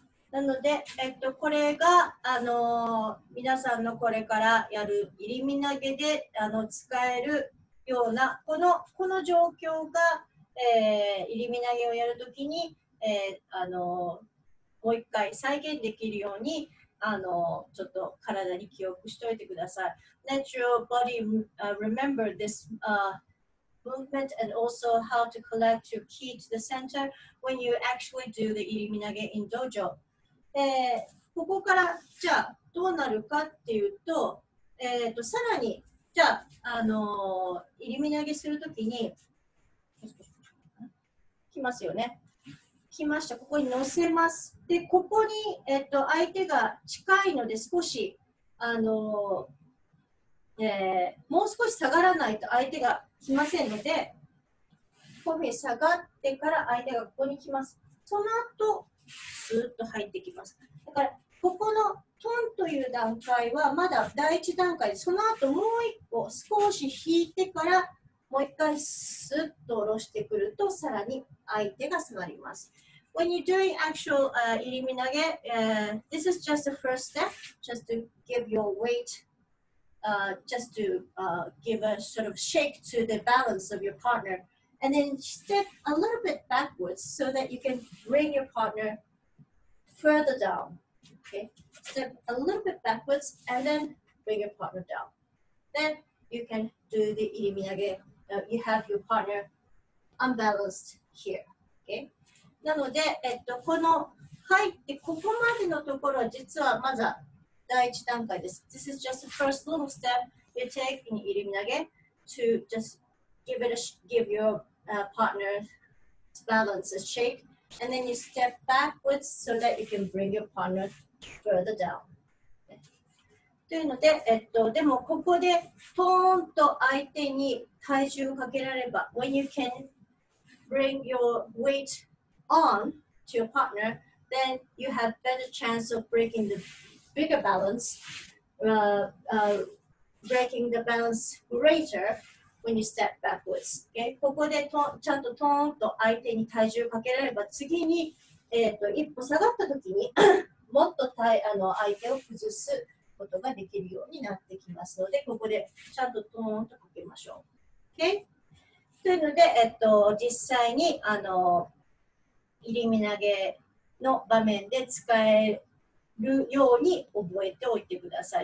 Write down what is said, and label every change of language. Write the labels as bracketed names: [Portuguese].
[Japanese] なので、これが皆さんのこれからやる入り身投げで使えるようなこの状況が入り身投げをやるときに、もう一回再現できるようにちょっと体に記憶しておいてください。 [English] Let your body remember this movement and also how to collect your ki to the center when you actually do the 入り身投げ in dojo. [Japanese] ここからじゃあどうなるかっていうと、さらにじゃあ入り身投げするときに来ますよね。来ました。ここに乗せます。で、ここに、相手が近いので少し、もう少し下がらないと相手が来ませんので、こういうふうに下がってから相手がここに来ます。その後、スーッと入ってきます。だから、ここのトンという段階はまだ第一段階で、その後もう一個少し引いてから、もう一回スッと下ろしてくると、さらに相手が下がります。 [English] When you're doing actual 入り身投げ、this is just the first step, just to give your weight, just to give a sort of shake to the balance of your partner. And then step a little bit backwards so that you can bring your partner further down. Okay, step a little bit backwards and then bring your partner down. Then you can do the 入り身投げ。You have your partner unbalanced here. Okay? [Japanese] なので、この入ってここまでのところは実はまず第一段階です。 [English] This is just the first little step you take in 入り身投げ to just give, it a give your partner balance, a shake, and then you step backwards so that you can bring your partner further down. [Japanese] というので、でもここでポーンと相手に体重をかけられば、 [English] When you can bring your weight on to your partner, then you have better chance of breaking the bigger balance, breaking the balance greater when you step backwards. Okay? [Japanese] ここでちゃんとトーンと相手に体重をかけられば、次に、一歩下がった時にもっと相手を崩す。ことができるようになってきますのでここでちゃんとトーンとかけましょう。 [English] Okay? [Japanese] というので、実際に入り身投げの場面で使えるように覚えておいてください。